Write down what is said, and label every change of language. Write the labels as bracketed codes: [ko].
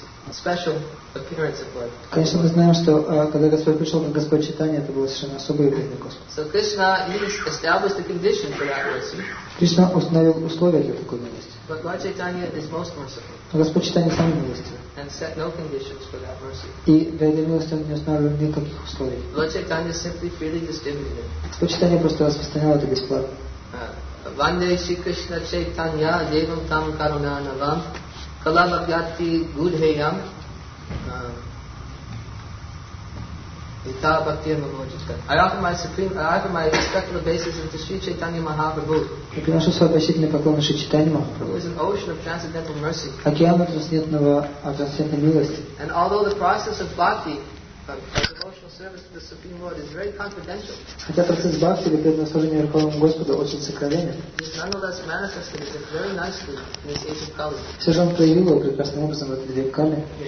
[en] Special appearance of Lord. [ru] Конечно, мы знаем, что когда Господь пришел, как Господь Чайтанья, это было совершенно особое явление Господа. [en] So Krishna established the condition for that mercy. [ru] Кришна установил условия для такой милости. [en] But Lord Chaitanya is most merciful. [ru] Господь Чайтанья самый милостивый. [en] And set no conditions for that mercy. [ru] И для этой милости он не устанавливал никаких условий. [en] Lord Chaitanya simply freely distributed it. [ru] Господь Чайтанья просто распространял это бесплатно. [sa] Ванде Шри Кришна Чайтанья Девам Там Карунанавам. Kalamabhyati Gudheyam Ita Bhaktir Mamojitka. [en] I offer my respectful obeisances to Sri Chaitanya Mahaprabhu. [ru] Я приношу свои почтительные поклоны Шри Чайтанья [en] Махапрабху. Is an ocean of transcendental mercy. [ru] Океан трансцендентной милости. [en] And although the process of bhakti, devotional service to the Supreme Lord, is very confidential. [ru] Хотя процесс бхакти или преданного служения Верховному Господу очень сокровенен. [en] Nonetheless, manifested it very nicely in this age of Kali. [ru] Все же он проявил его прекрасным образом в этот век Кали.